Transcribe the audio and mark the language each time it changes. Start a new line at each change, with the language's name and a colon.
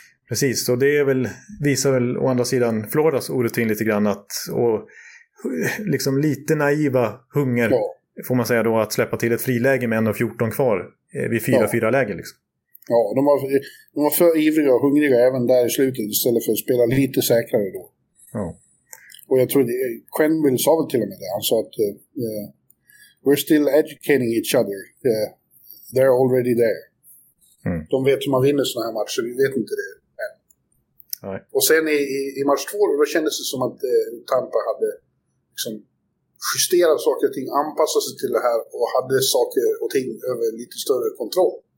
Swedish: Precis, och det är väl, visar väl å andra sidan Floridas orutin lite grann att, och liksom lite naiva hunger, ja, får man säga då, att släppa till ett friläge med 1,14 kvar vid 4-4 läge liksom. Ja, de var för ivriga och hungriga även där i slutet istället för att spela lite säkrare då. Ja. Och jag tror Quenneville sa väl till och med det. Han sa att
English: we're still educating each other. They're already there. Mm.
Swedish: De vet hur man vinner såna här matcher. Vi vet inte det. Men. Nej. Och sen i match 2 då kändes det som att Tampa hade liksom justera saker och ting, anpassa sig till det här och hade saker och ting över lite större kontroll.